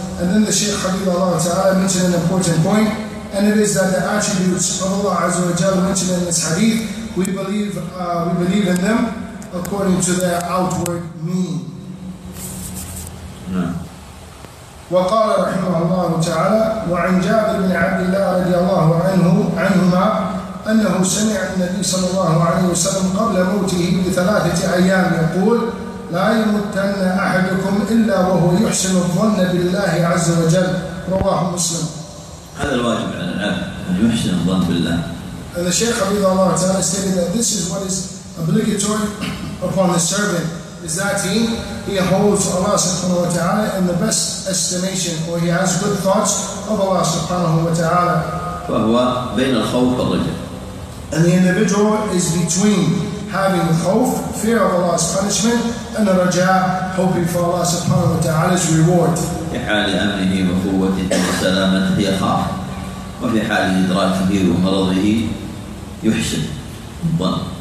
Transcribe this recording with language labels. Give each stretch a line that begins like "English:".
English: And then the Shaykh Habib Allah ta'ala mentioned an important point, and it is that the attributes of Allah azza wa jalla mentioned in this hadith, we believe in them according to their outward mean.
Arabic: وقال رحمه الله تعالى وعن جابر بن عبد الله رضي الله عنهما أنه سمع النبي صلى الله عليه وسلم قبل موته بثلاثة أيام يقول لا يمتن أحدكم إلا وهو يحسن الظن بالله عز وجل. رواه مسلم. هذا الواجب على العبد، أن يحسن الظن بالله.
English: And the Shaykh Habib Allah تعالى stated that this is what is obligatory upon the servant, is that he holds Allah subhanahu wa ta'ala in the best estimation, or he has good thoughts of Allah subhanahu wa ta'ala.
Arabic: فهو بين الخوف والرجاء.
English: And the individual is between having khawf, fear of Allah's punishment, and a raja, hoping for Allah subhanahu wa ta'ala's reward.
Arabic: في حال أمنه وقوته وسلامته يخاف، وفي حال إدراكه ومرضه يحسن الظن.